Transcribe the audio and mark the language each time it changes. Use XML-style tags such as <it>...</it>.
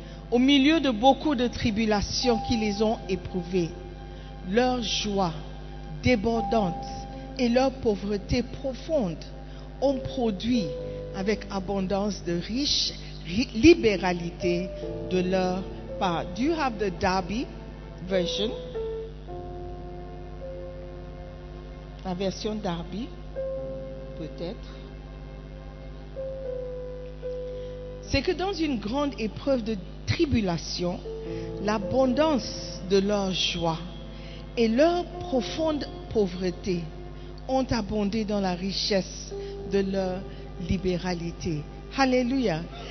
<fr>Au milieu de beaucoup de tribulations qui les ont éprouvées, leur joie débordante et leur pauvreté profonde ont produit avec abondance de riches libéralité de leur part.</fr> <en>Do you have the Darby version?</en> <fr>La version Darby, peut-être. C'est que dans une grande épreuve de tribulation, l'abondance de leur joie et leur profonde pauvreté ont abondé dans la richesse de leur libéralité. Alléluia.</fr>